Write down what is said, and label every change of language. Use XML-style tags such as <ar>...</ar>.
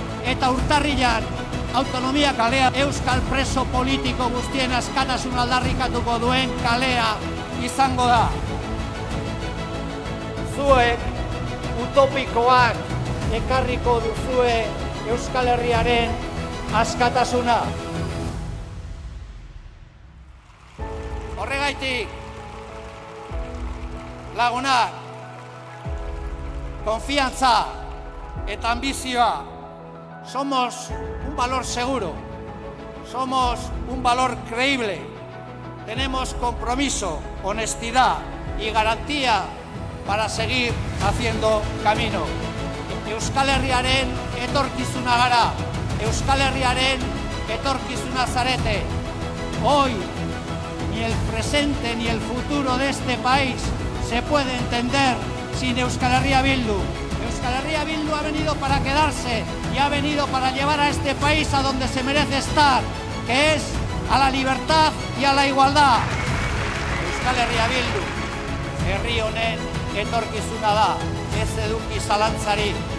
<eu>Eta urtarrilan autonomia kalea Euskal preso politiko guztien askatasun aldarrikatuko duen kalea izango da. Zuek utopikoak ekarriko duzue Euskal Herriaren askatasuna. Horregaitik, lagunak, konfiantza eta ambizioa,</eu> <es>somos un valor seguro, somos un valor creíble, tenemos compromiso, honestidad y garantía para seguir haciendo camino.</es> <eu>Euskal Herriaren etorkizuna gara, Euskal Herriaren etorkizuna zarete.</eu> <es>Hoy, ni el presente ni el futuro de este país se puede entender sin Euskal Herria Bildu. Euskal Herria Bildu ha venido para quedarse y ha venido para llevar a este país a donde se merece estar, que es a la libertad y a la igualdad.</es> <eu>Euskal Herria Bildu, herri honen etorkizuna da, ez eduki zalantzarik.</eu>